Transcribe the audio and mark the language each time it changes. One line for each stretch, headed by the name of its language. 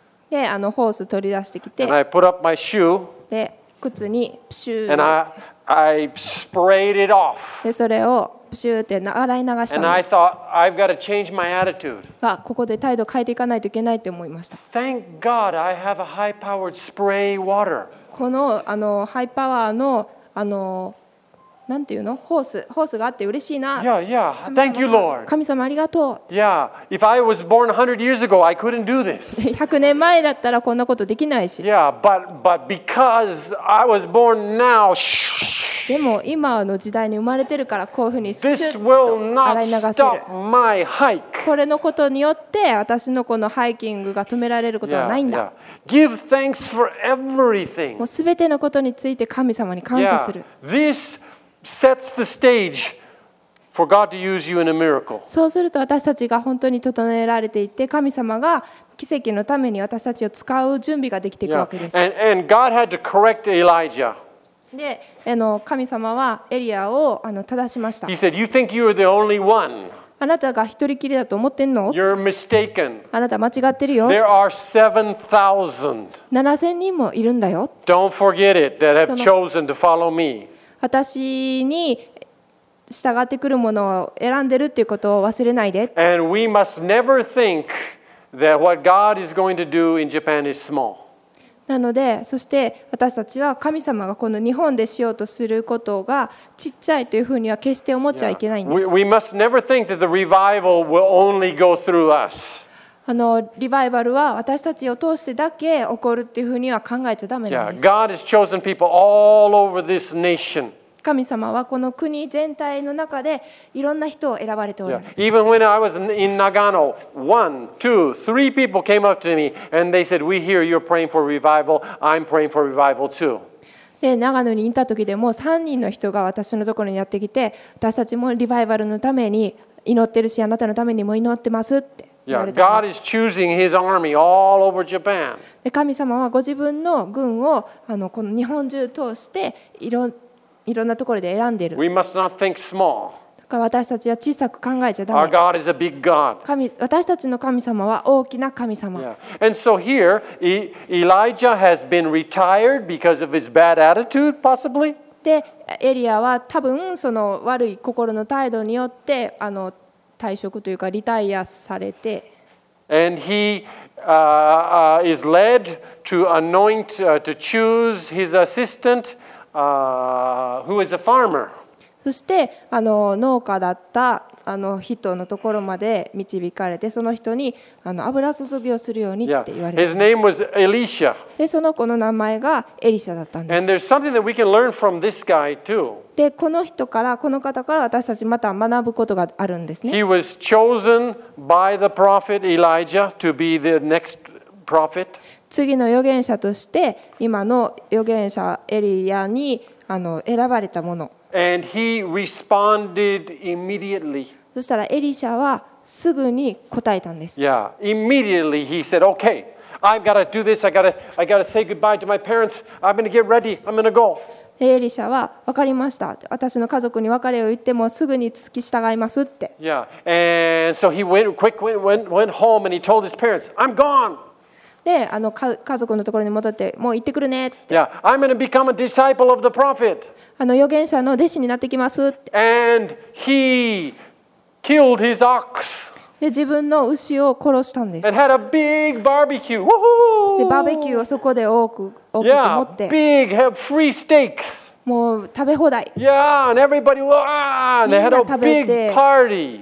Japanese: で、ホース取り出してきて。
English: And I put up my shoe.
Japanese: で、靴にプシュー。
English: And I sprayed it off.
Japanese: でそれをプシューって洗い流したんです。
English: And I thought I've got to change my attitude.
Japanese: あ、ここで態度変えていかないといけないって思いました。
English: Thank God I have a high-powered spray water.
Japanese: このハイパワーのなんていうの？ホースがあって嬉しいな。
English: Yeah, yeah. Thank you, Lord.
Japanese: 神様ありがとう。
English: Yeah. If I was born 100 years ago, I couldn't do this.
Japanese: 100年前だったらこんなことできないし。
English: Yeah, but because I was born now,
Japanese: でも今の時代に生まれてるからこういうふうにシュッと洗い流せる。
English: This will not stop my hike.
Japanese: これのことによって私のこのハイキングが止められることはないんだ。
English: Yeah, yeah. Give thanks for everything.
Japanese: もうすべてのことについて神様に感謝する。
English: Yeah. Thissets the stage for God to use you in a miracle.
Japanese: そうすると私たちが本当に整えられていて、神様が奇跡のために私たちを使う準備ができていくわけです。
English: And God had to correct Elijah.
Japanese: で、神様はエリアを正しました。
English: He said, "You think you are the only one."
Japanese: あなたが一人きりだと思ってんの？
English: You're mistaken.
Japanese: あなた間違ってるよ。
English: There are 7,000.
Japanese: 7,000人もいるんだよ。
English: Don't forget it. That have chosen to follow me.
Japanese: 私に従ってくるものを選んでるっていうことを忘れないで。
English: And we must never think that what God is going to do in Japan is small.
Japanese: なので、そして私たちは神様がこの日本でしようとすることがちっちゃいというふうには決して思っちゃいけないんです。
English: Yeah. We must never think that the revival will only go through us.
Japanese: リバイバルは私たちを通してだけ起こるっていうふうには考えちゃダメなんです。
English: God has chosen people all over this nation.
Japanese: 神様はこの国全体の中でいろんな人を選ばれておられる。
English: Even when I was in Nagano, one, two, three people came up to me and they said, "We hear you're praying for revival. I'm praying for revival too."
Japanese: で長野にいた時でも3人の人が私のところにやってきて、私たちもリバイバルのために祈ってるし、あなたのためにも祈ってますって。
English: Yeah, God is choosing His army all over Japan.
Japanese: 神様はご自分の軍をこの日本中通していろんなところで選んでいる。
English: We must not think small.
Japanese: だから私たちは小さく考えちゃダメ。
English: Our God is a big God.
Japanese: 私たちの神様は大きな神様。
English: Yeah. And so here, Elijah has been retired because of his bad attitude, possibly.
Japanese: で、エリアは多分その悪い心の態度によって退職というかリタイアされて、
English: and he is led to anoint, to choose his assistant, who is a farmer.
Japanese: そしてあの農家だったあの人のところまで導かれて、その人にあの油注ぎをするようにって言われます。
English: His name was Elisha.
Japanese: でその子の名前がエリシャだったんです。
English: And there's something that we can learn from this guy too.
Japanese: でこの人からこの方から私たちまた学ぶことがあるんですね。
English: He was chosen by the prophet Elijah to be the next prophet.
Japanese: 次の預言者として今の預言者エリアにあの選ばれたもの。
English: And he responded immediately.
Japanese: そしたらエリシャはすぐに答えたんです。
English: Yeah, immediately he said, "Okay, I've got to do this. I got to say goodbye to my parents. I'm going to get ready. I'm going to go."
Japanese: エリシャは分かりました。私の家族に別れを言ってもすぐに付き従いますって。
English: Yeah, and so he went home and he told his parents, "I'm gone."
Japanese: で、あの家族のところに戻ってもう行ってくるねって。
English: Yeah, I'm going to become a disciple of the prophet.
Japanese: あの預言者の弟子になってきますって。
English: And he killed his ox.
Japanese: で自分の牛を殺したんです。
English: And had a big barbecue.
Japanese: でバーベキューをそこで多く持って。
English: Yeah, big have free steaks.
Japanese: もう食べ放題。
English: Yeah, and everybody was and they had a big party.